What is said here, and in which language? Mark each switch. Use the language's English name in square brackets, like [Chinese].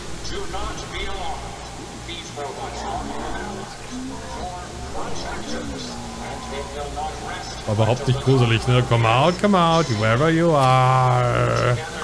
[English] Do not be alarmed. These robots are more than allies. Your conscious. [German] War überhaupt nicht gruselig, ne? [English] Come out, wherever you are.